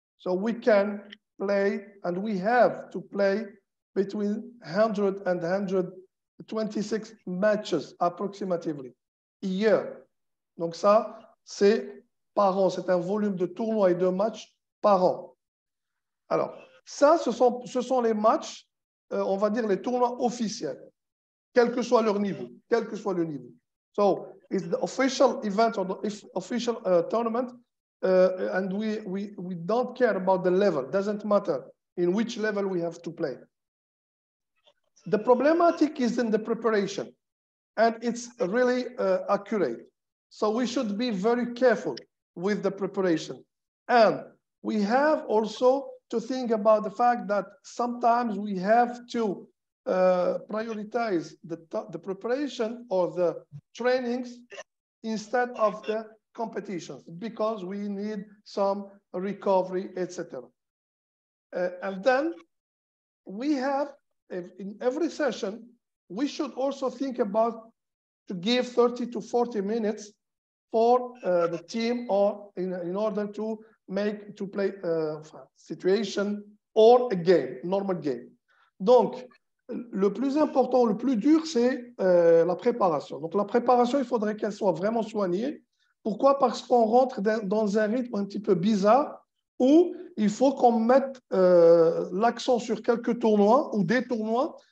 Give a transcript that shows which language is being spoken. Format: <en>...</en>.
<en>So we can play, and we have to play between 100 and 126 matches approximately.</en> <fr>Year. Donc ça, c'est par an. C'est un volume de tournois et de matchs par an. Alors, ça, ce sont les matchs, on va dire les tournois officiels, quel que soit leur niveau, quel que soit le niveau.</fr> <en>So, it's the official event or the official tournament, and we don't care about the level. Doesn't matter in which level we have to play. The problematic is in the preparation. And it's really accurate. So we should be very careful with the preparation. And we have also to think about the fact that sometimes we have to prioritize the preparation or the trainings instead of the competitions because we need some recovery, etc. And then we have, in every session, we should also think about to give 30 to 40 minutes for the team or in order to make, to play a situation or a game, normal game.</en> <fr>Donc, le plus important, le plus dur, c'est la préparation. Donc, la préparation, il faudrait qu'elle soit vraiment soignée. Pourquoi? Parce qu'on rentre dans un rythme un petit peu bizarre où il faut qu'on mette l'accent sur quelques tournois ou des tournois.</fr>